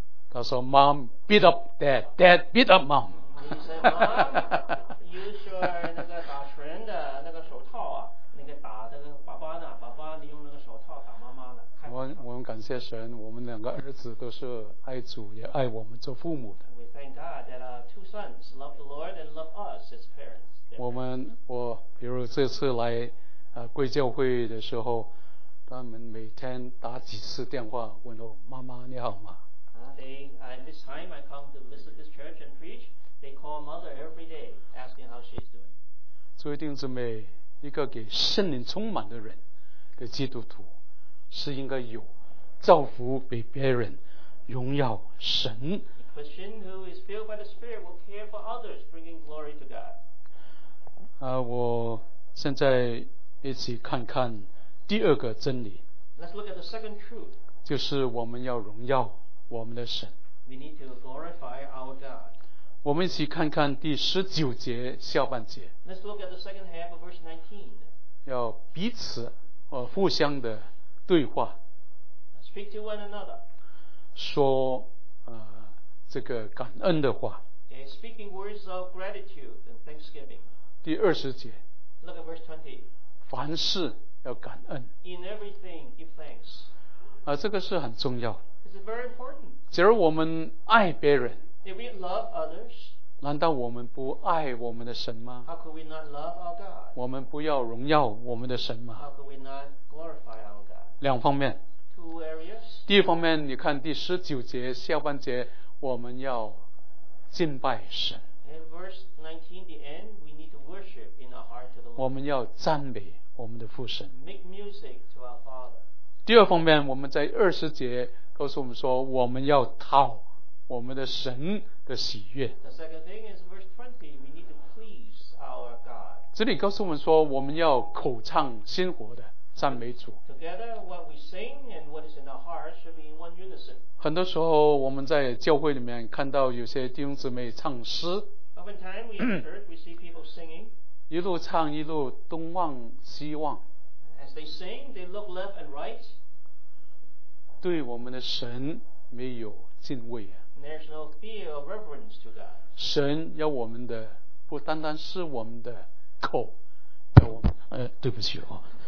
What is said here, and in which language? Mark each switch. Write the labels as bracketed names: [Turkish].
[Chinese] 他说 [English] ，Mom beat up Dad, Dad beat up Mom. He said, Mom, use your [Chinese] 那个打拳的那个手套啊，那个打那个爸爸呢，爸爸你用那个手套打妈妈呢。我们感谢神，我们两个儿子都是爱主也爱我们做父母的。 [English] We thank God that our two sons love the Lord and love us as parents. [Chinese] 我比如这次来贵教会的时候，他们每天打几次电话问候妈妈你好吗？ [English] This time I come to visit this church and preach, they call mother every day asking how she's doing. [Chinese] 作为弟兄姊妹，一个给圣灵充满的人的基督徒是应该有造福给别人荣耀神。 [English] A Christian who is filled by the Spirit will care for others, bringing glory to God. [Chinese] 我现在一起看看第二个真理。 [English] Let's look at the second truth. [Chinese] 就是我们要荣耀我们的神。 [English] We need to glorify our God. [Chinese] 我们一起看看第十九节下半节。 [English] Let's look at the second half of verse 19. [Chinese] 要彼此互相的对话。 [English] Speak to one another. [Chinese] 说这个感恩的话。 [English] Okay, speaking words of gratitude and thanksgiving. [Chinese] 第二十节。 [English] Look at verse 20. [Chinese] 凡事要感恩。 [English] In everything, give thanks. [Chinese] 这个是很重要。 [English] It's very important. [Chinese] 假如我们爱别人。 [English] If we love others. [Chinese] 难道我们不爱我们的神吗？ [English] How could we not love our God? [Chinese] 我们不要荣耀我们的神吗？ [English] How could we not glorify our God? [Chinese] 两方面。 [English] Two areas. [Chinese] 第一方面，你看第十九节下半节，我们要敬拜神。 [English] In verse 19, the end, we need to worship in our heart to the Lord. [Chinese] 我们要赞美我们的父神。 [English] Make music to our Father. [Chinese] 第二方面，我们在二十节告诉我们说，我们要讨我们的神的喜悦。 [English] The second thing is verse 20, we need to please our God. [Chinese] 这里告诉我们说，我们要口唱心活的赞美主。 [English] Together, what we sing and what is in our hearts should be in one unison. [Chinese] 很多时候我们在教会里面看到有些弟兄姊妹唱诗。 [English] Oftentimes, we heard, we see people singing. [Chinese] 一路唱一路东望西望。 [English] As they sing, they look left and right. [Chinese] 对我们的神没有敬畏啊。 [English] There's no fear of reverence to God. [Chinese] 神要我们的不单单是我们的口，要我们对不起哦。